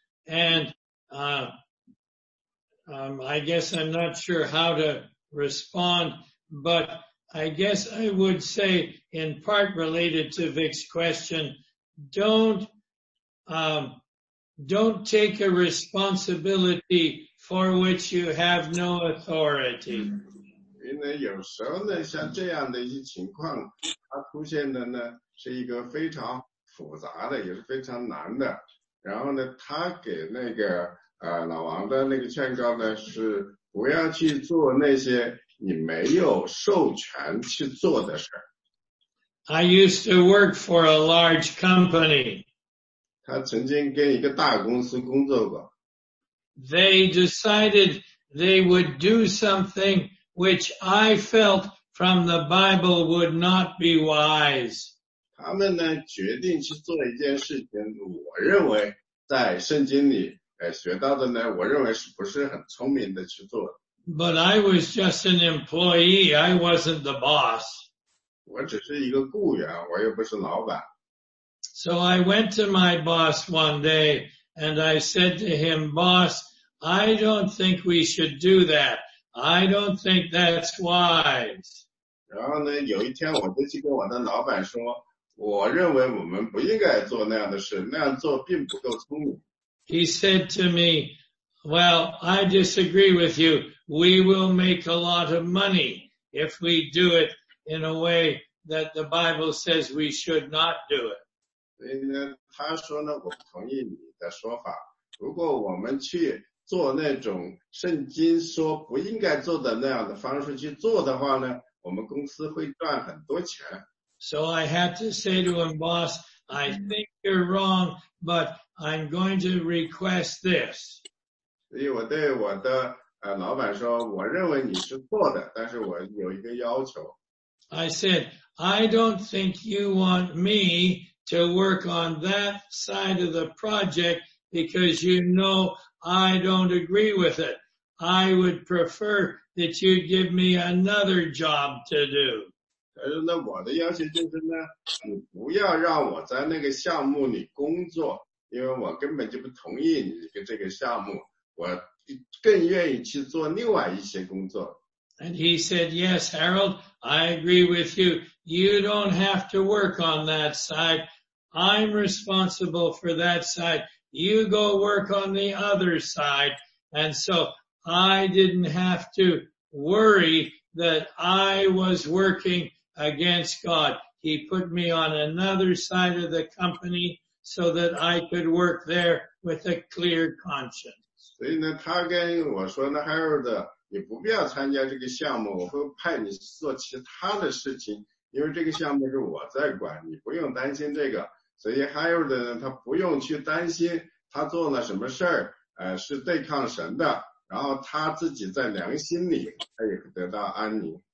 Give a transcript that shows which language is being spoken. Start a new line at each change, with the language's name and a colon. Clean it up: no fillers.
English: And I guess I'm not sure how to respond, but I guess I would say, in part related to Vic's question, don't take a responsibility for which you have no authority.
Chinese: 因为有时候呢，像这样的一些情况，它出现的呢，是一个非常复杂的，也是非常难的。然后呢，他给那个老王的那个劝告呢，是不要去做那些你没有授权去做的事。
English: I used to work for a large company.
Chinese: 他曾经跟一个大公司工作过。
English: They decided they would do something which I felt from the Bible would not be wise.
Chinese: 他们呢决定去做一件事情，我认为在圣经里学到的呢，我认为是不是很聪明的去做。
English: But I was just an employee, I wasn't the boss.
Chinese: 我只是一个雇员，我又不是老板。
English: So I went to my boss one day, and I said to him, boss, I don't think we should do that. I don't think that's wise.
Chinese: 然后呢，有一天我就去跟我的老板说，我认为我们不应该做那样的事，那样做并不够聪明。
English: He said to me, well, I disagree with you. We will make a lot of money if we do it in a way that the Bible says we should not do it.
Chinese: 所以呢，他说呢，我不同意你的说法，如果我们去做那种圣经说不应该做的那样的方式去做的话呢，我们公司会赚很多钱。
English: So I had to say to him, boss, I think you're wrong, but I'm going to request this.
Chinese: 所以我对我的老板说，我认为你是错的，但是我有一个要求。
English: I said, I don't think you want me to work on that side of the project because you know I don't agree with it. I would prefer that you'd give me another job to do.
Chinese: 那我的要求就是呢，你不要让我在那个项目里工作，因为我根本就不同意你这个项目，我更愿意去做另外一些工作。
English: And he said, yes, Harold, I agree with you. You don't have to work on that side. I'm responsible for that side. You go work on the other side. And so I didn't have to worry that I was working against God. He put me on another side of the company so that I could work there with a clear conscience.
Chinese: 所以呢，他跟我说呢 ，Harold。你不必要参加这个项目，我会派你做其他的事情，因为这个项目是我在管，你不用担心这个。所以 Harold 呢，他不用去担心他做了什么事儿，是对抗神的，然后他自己在良心里他也得到安宁。